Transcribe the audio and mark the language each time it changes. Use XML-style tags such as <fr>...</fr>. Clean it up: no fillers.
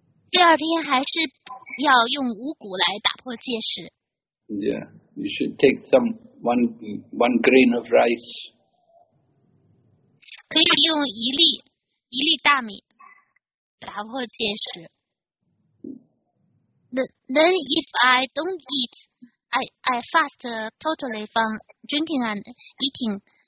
<zh>第二天还是要用五谷来打破戒食。</zh> <en>Yeah, you should take one grain of rice.</en> <zh>可以用一粒大米打破戒食。</zh> <en>Then if I don't eat, I fast totally from drinking and eating.</en>